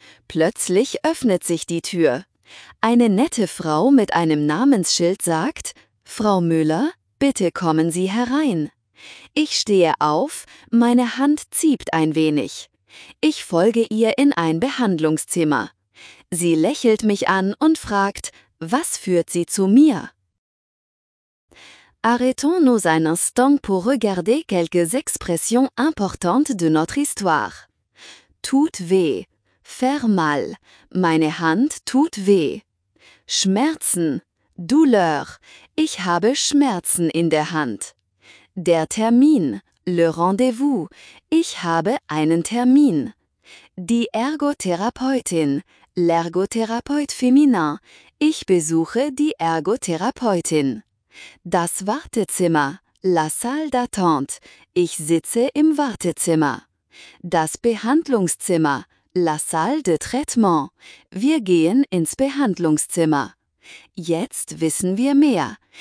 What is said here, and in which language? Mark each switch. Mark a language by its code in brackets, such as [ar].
[de] Plötzlich öffnet sich die Tür. Eine nette Frau mit einem Namensschild sagt: Frau Müller, bitte kommen Sie herein. Ich stehe auf, meine Hand zieht ein wenig. Ich folge ihr in ein Behandlungszimmer. Sie lächelt mich an und fragt: Was führt Sie zu mir? [fr] Arrêtons-nous un instant pour regarder quelques expressions importantes de notre histoire. [de] Tut weh. Vermal. Meine Hand tut weh. Schmerzen. Douleur. Ich habe Schmerzen in der Hand. Der Termin. [fr] Le rendez-vous. [de] Ich habe einen Termin. Die Ergotherapeutin. [fr] L'ergothérapeute féminin. [de] Ich besuche die Ergotherapeutin. Das Wartezimmer. [fr] La salle d'attente. [de] Ich sitze im Wartezimmer. Das Behandlungszimmer. [fr] La salle de traitement. [de] Wir gehen ins Behandlungszimmer. Jetzt wissen wir mehr.